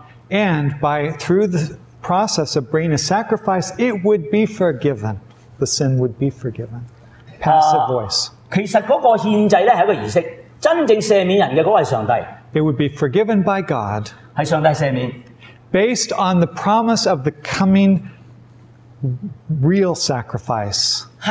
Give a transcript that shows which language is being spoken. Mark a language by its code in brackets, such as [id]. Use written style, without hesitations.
[en] and by through the process of bringing a sacrifice, it would be forgiven. The sin would be forgiven. Passive voice. [zh] 其實那個獻祭是一個儀式, 真正赦免人的那個是上帝。 [en] It would be forgiven by God based on the promise of the coming real sacrifice.